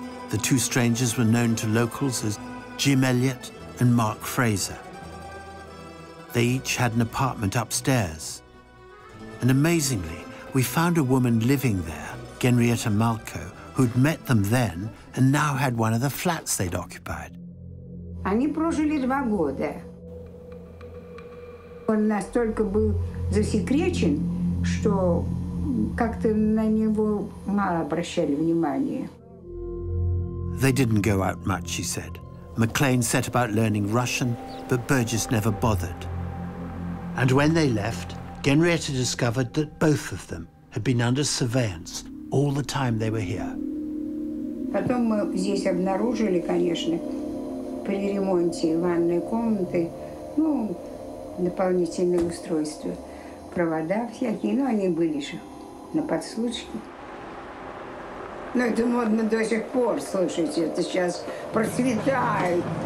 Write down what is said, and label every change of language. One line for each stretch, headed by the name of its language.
English: The two strangers were known to locals as Jim Elliott and Mark Fraser. They each had an apartment upstairs. And amazingly, we found a woman living there, Genrietta Malko, who'd met them then and now had one of the flats they'd occupied.
Russian: Они прожили два года. Он настолько был засекречен, что как-то на него мало обращали внимания.
English: They didn't go out much, she said. Maclean set about learning Russian, but Burgess never bothered. And when they left, Genrietta discovered that both of them had been under surveillance all the time they were here.
Russian: Потом мы здесь обнаружили, конечно, при ремонте ванной комнаты, ну, дополнительные устройства, провода всякие, но они были же на подслушке. Но это модно до сих пор, слушайте, это сейчас процветает.